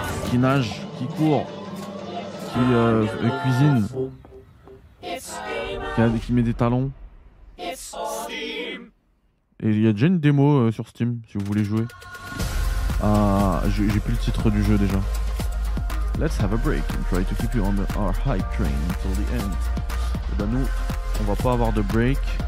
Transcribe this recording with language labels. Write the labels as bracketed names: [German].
[French] Qui nage, qui court, qui cuisine, qui met des talons. Et il y a déjà une démo sur Steam si vous voulez jouer. J'ai plus le titre du jeu déjà. [English] Let's have a break and try to keep you on our hype train until the end. [French] Et ben nous, on va pas avoir de break.